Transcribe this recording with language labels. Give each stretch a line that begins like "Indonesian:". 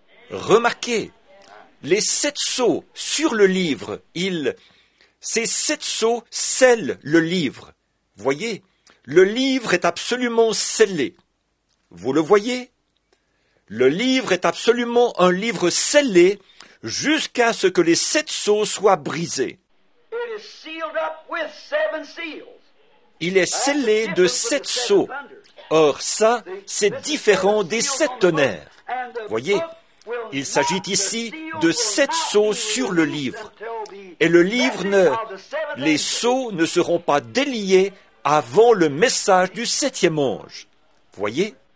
French: Remarquez, les sept sceaux sur le livre, ces sept sceaux scellent le livre. Voyez, le livre est absolument scellé. Vous le voyez? Le livre est absolument un livre scellé jusqu'à ce que les sept sceaux soient brisés.
English: It is sealed up with seven seals.
French: Il est scellé de sept sceaux. Or, ça, c'est différent des sept tonnerres. Voyez, il s'agit ici de sept sceaux sur le livre. Et le livre ne... Les sceaux ne seront pas déliés avant le message du septième ange. Voyez?